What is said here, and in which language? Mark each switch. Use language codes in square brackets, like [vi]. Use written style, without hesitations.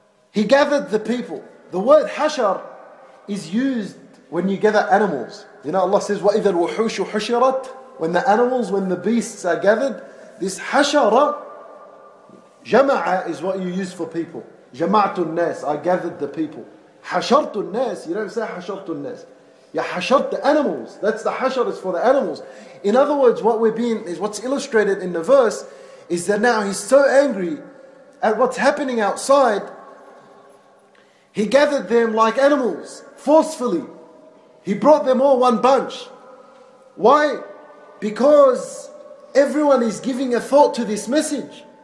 [en] He gathered the people. The word hashar is used when you gather animals. You know, Allah says, [ar] وَإِذَا الْوُحُوشُ حُشِرَتْ. [en] When the animals, when the beasts are gathered, this hashara, jama'a is what you use for people. [ar] جمعت الناس, [en] I gathered the people. [ar] حشرت الناس, [en] you don't say [ar] حشرت الناس. [en] You حشرت the animals. That's the حشر, is for the animals. In other words, what's illustrated in the verse is that now he's so angry at what's happening outside, he gathered them like animals, forcefully. He brought them all one bunch. Why? Because everyone is giving a thought to this message.